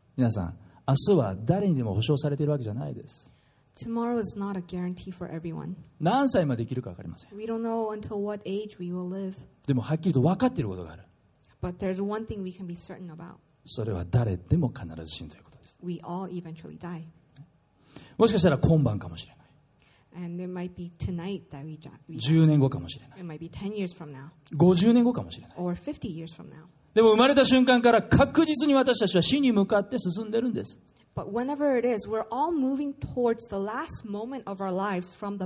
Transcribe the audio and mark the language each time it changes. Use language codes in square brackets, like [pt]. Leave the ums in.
[ja] さん、明日は誰にでも保証されているわけじゃないです。 [en] Tomorrow is not a guarantee for everyone. [ja] 何歳まで生きるか分かりません。 [en] We don't know until what age we will live. [ja] でも、はっきりと分かっていることがある。 [en] But there's one thing we can be certain about. [ja] それは誰でも必ず死ぬということ [en] です。We all eventually die. [ja] もしかしたら今晩かもしれん。 10年後かもしれない。 50 年後かもしれない。でも生まれた瞬間から確実に私たちは死に向かって進んでるんです。 [en] But whenever it is, we're all moving towards the last moment of our lives from the